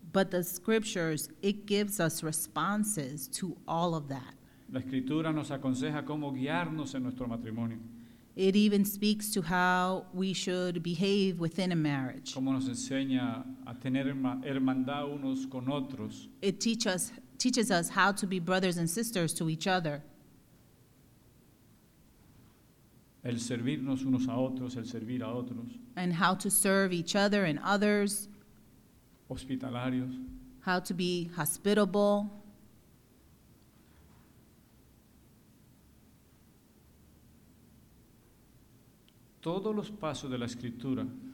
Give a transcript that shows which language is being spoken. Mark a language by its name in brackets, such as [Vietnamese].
[English] But the scriptures, it gives us responses to all of that. [Spanish] La escritura nos aconseja cómo guiarnos en nuestro matrimonio. [English] It even speaks to how we should behave within a marriage. [Spanish] Cómo nos enseña a tener hermandad unos con otros. [English] It teaches us how to be brothers and sisters to each other. [Spanish] El servirnos unos a otros, el servir a otros. [English] And how to serve each other and others. [Spanish] Hospitalarios. [English] How to be hospitable. [Spanish] Todos los pasos de la escritura.